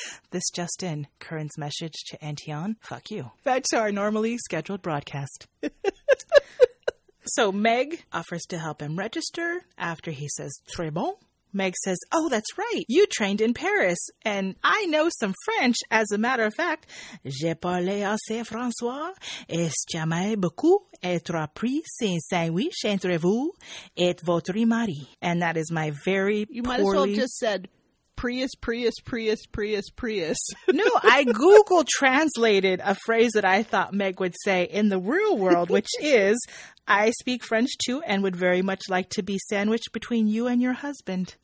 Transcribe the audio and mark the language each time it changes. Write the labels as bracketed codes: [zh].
[en] This just in, Curran's message to Antion, fuck you. Back to our normally scheduled broadcast. So Meg offers to help him register after he says très bon. Meg says, oh, that's right. You trained in Paris and I know some French. As a matter of fact, [fr] je parle assez français et j'aime beaucoup être pris un sandwich entre vous et votre mari. [en] And that is my very poorly... You might as well just said Prius, Prius, Prius, Prius, Prius. No, I Google translated a phrase that I thought Meg would say in the real world, which is, I speak French too and would very much like to be sandwiched between you and your husband.